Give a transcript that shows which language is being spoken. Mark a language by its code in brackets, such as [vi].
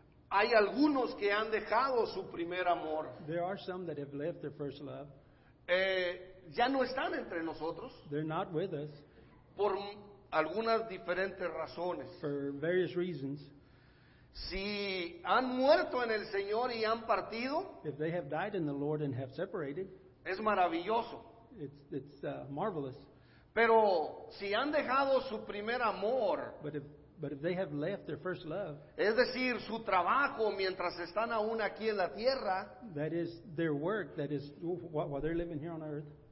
[es] hay algunos que han dejado su primer amor. [en] There are some that have left their first love. [es] Ya no están entre nosotros. [en] They're not with us. [es] Por algunas diferentes razones. [en] For various reasons. [es] Si han muerto en el Señor y han partido, [en] if they have died in the Lord and have separated, [es] es maravilloso. [en] It's marvelous. [es] Pero si han dejado su primer amor, [en] but if they have left their first love, [es] es decir, su trabajo mientras están aún aquí en la tierra, [en] that is their work, that is while they're living here on earth,